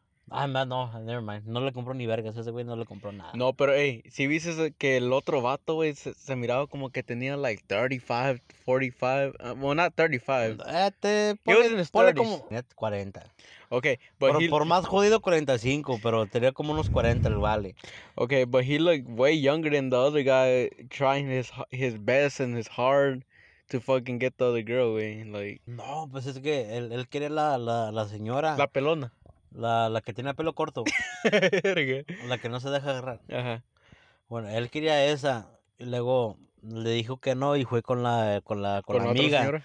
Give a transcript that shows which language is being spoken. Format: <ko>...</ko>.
<en>Ah, no, never mind.</en> <es>No le compró ni vergas. Ese güey no le compró nada. No, pero, hey, si viste que el otro vato, güey, se miraba como que tenía, like, 35, 45.</es> <en>Well, not 35. He was in his 30s. Como... 40. Okay, but</en> <es>por más jodido, 45, pero tenía como unos 40 el vale.</es> <en>Okay, but he looked way younger than the other guy, trying his best and his hard... To fucking get the other girl, güey, like...</en> <es>No, pues es que él quería la señora... La pelona. La que tiene pelo corto. La que no se deja agarrar. Ajá. Bueno, él quería esa, y luego le dijo que no, y fue con la amiga.</es>